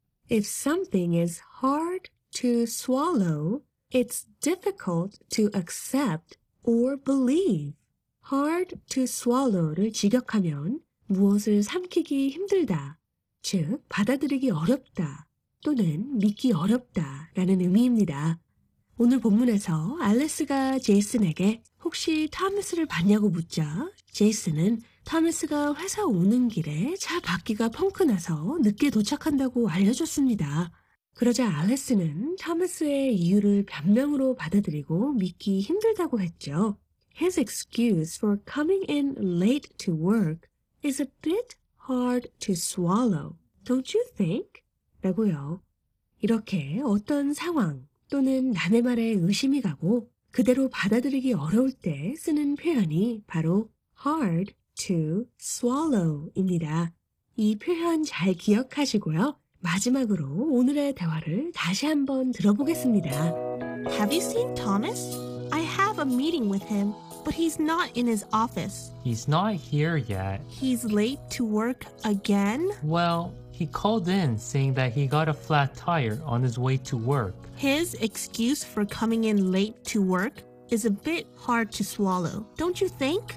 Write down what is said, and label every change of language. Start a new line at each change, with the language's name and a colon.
English: If something is hard to swallow, it's difficult to accept or believe. Hard to swallow
Korean: 를 직역하면 무엇을 삼키기 힘들다, 즉 받아들이기 어렵다 또는 믿기 어렵다라는 의미입니다. 오늘 본문에서 알리스가 제이슨에게 혹시 토마스를 봤냐고 묻자 제이슨은 토마스가 회사 오는 길에 차 바퀴가 펑크나서 늦게 도착한다고 알려줬습니다. 그러자 알리스는 토마스의 이유를 변명으로 받아들이고 믿기 힘들다고 했죠.
English: His excuse for coming in late to work is a bit hard to swallow, don't you think?
Korean: 라고요. 이렇게 어떤 상황 또는 남의 말에 의심이 가고 그대로 받아들이기 어려울 때 쓰는 표현이 바로
English: hard to swallow
Korean: 입니다. 이 표현 잘 기억하시고요. 마지막으로 오늘의 대화를 다시 한번 들어보겠습니다.
English: Have you seen Thomas? I have a meeting with him, but he's not in his office. He's not here yet. He's late to work again? Well, he called in saying that he got a flat tire on his way to work. His excuse for coming in late to work is a bit hard to swallow, don't you think?